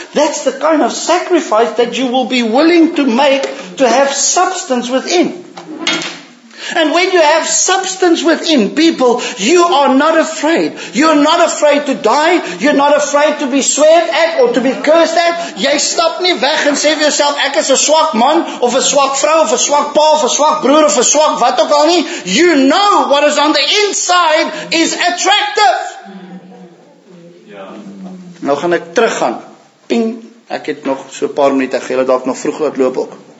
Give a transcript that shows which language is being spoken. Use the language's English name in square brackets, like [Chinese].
[English] That's the kind of sacrifice that you will be willing to make to have substance within. And when you have substance within people, you are not afraid. You're not afraid to die. You're not afraid to be sweared at or to be cursed at. [Afrikaans] Jy stap nie weg en sê vir jouself, ek is 'n swak man of 'n swak vrou of 'n swak pa of 'n swak broer of 'n swak wat ook al nie. [English] You know what is on the inside is attractive. [Afrikaans] Ja. Nou gaan ek teruggaan. Ping. Ek het nog so 'n paar minute gehad, dalk nog vroeg laat loop ook.